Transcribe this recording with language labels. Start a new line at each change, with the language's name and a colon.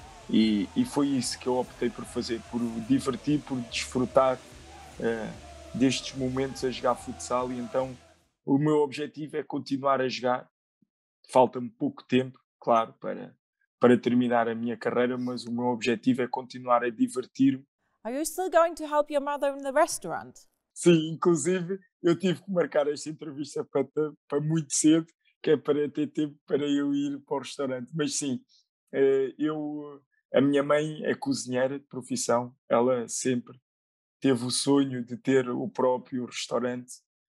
Portuguese: E foi isso que eu optei por fazer, por divertir, por desfrutar destes momentos a jogar futsal. E então o meu objetivo é continuar a jogar. Falta-me pouco tempo, claro, para terminar a minha carreira, mas o meu objetivo é continuar a divertir-me.
English: Are you still going to help your mother in the restaurant?
Portuguese: Sim, inclusive eu tive que marcar esta entrevista para muito cedo, que é para ter tempo para eu ir para o restaurante. Mas sim, a minha mãe é cozinheira de profissão, ela sempre teve o sonho de ter o próprio restaurante